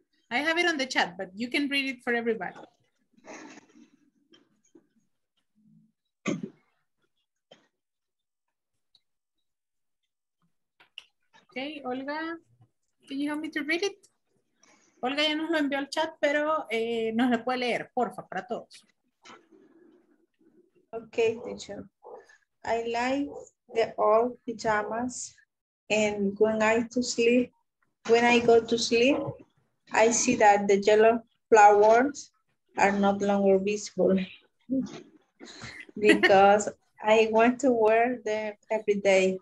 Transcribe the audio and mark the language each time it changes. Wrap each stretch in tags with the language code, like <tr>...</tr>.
<en>I have it on the chat, but you can read it for everybody. Okay, Olga, can you help me to read it?</en> <es>Olga ya nos lo envió al chat, pero nos lo puede leer, porfa, para todos.</es> <en>Okay, teacher. I like the old pajamas, and when I go to sleep, I see that the yellow flowers are no longer visible because I want to wear them every day.</en>